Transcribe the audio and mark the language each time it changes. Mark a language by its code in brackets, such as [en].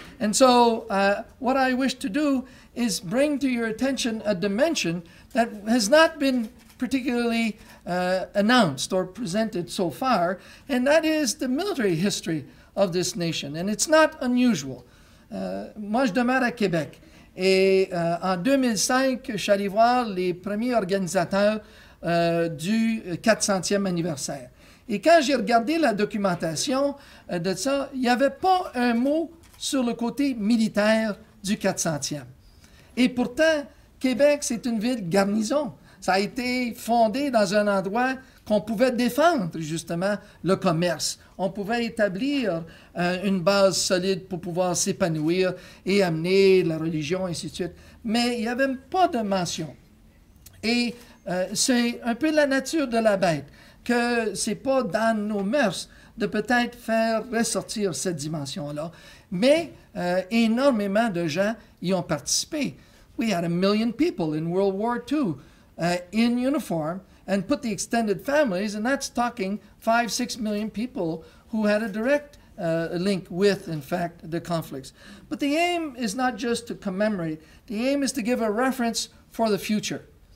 [en] And so what I wish to do is bring to your attention a dimension that has not been particularly announced or presented so far, and that is the military history of this nation. And it's not unusual. [fr] Moi, je demeure à Québec. Et en 2005, je suis allé voir les premiers organisateurs du 400e anniversaire. Et quand j'ai regardé la documentation de ça, il n'y avait pas un mot sur le côté militaire du 400e. Et pourtant, Québec, c'est une ville garnison. Ça a été fondé dans un endroit qu'on pouvait défendre, justement, le commerce. On pouvait établir une base solide pour pouvoir s'épanouir et amener la religion, ainsi de suite. Mais il n'y avait pas de mention. Et c'est un peu la nature de la bête, que ce n'est pas dans nos mœurs de peut-être faire ressortir cette dimension-là. Mais énormément de gens y ont participé. [en] We had 1 million people in World War II in uniform, and put the extended families, and that's talking 5-6 million people who had a direct link with, in fact, the conflicts. But the aim is not just to commemorate. The aim is to give a reference for the future.